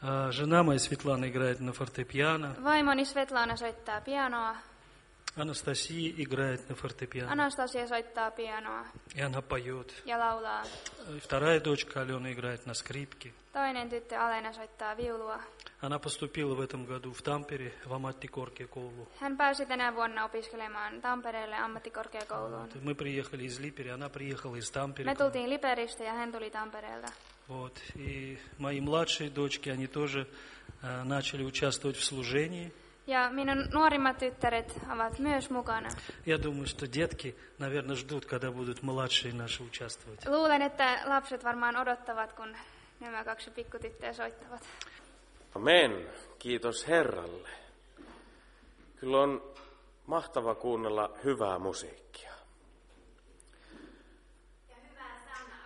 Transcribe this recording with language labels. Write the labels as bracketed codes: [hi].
[ru] Жена моя Светлана играет на фортепиано. [fi] Vaimoni Svetlana soittaa pianoa. [ru] Анастасия играет на фортепиано. [fi] Анастасия soittaa pianoa. [ru] И она поет. [fi] Ja laulaa. [ru] Вторая дочка Алена играет на скрипке. [fi] Toinen tyttö Alena soittaa viulua. [ru] Она поступила в этом году в Тампере в ammattikorkeakoulu. [fi] Hän pääsi tänä vuonna opiskelemaan Tampereelle ammattikorkeakouluun. [ru] Мы приехали из Липери, она приехала из Тампере. [fi] Me tultiin Liperistä ja hän tuli Tampereelta. [ru] Вот. И мои младшие дочки, они тоже начали участвовать в служении. [fi] Ja minun nuorimmat tyttäret ovat myös mukana. [ru] Я думаю, что детки, наверное, ждут, когда будут младшие наши участвовать. [fi] Luulen, että lapset varmaan odottavat, kun nämä kaksi pikkutyttöä soittavat. Amen. Kiitos Herralle. Kyllä on mahtava kuunnella hyvää musiikkia. Ja hyvää sanaa.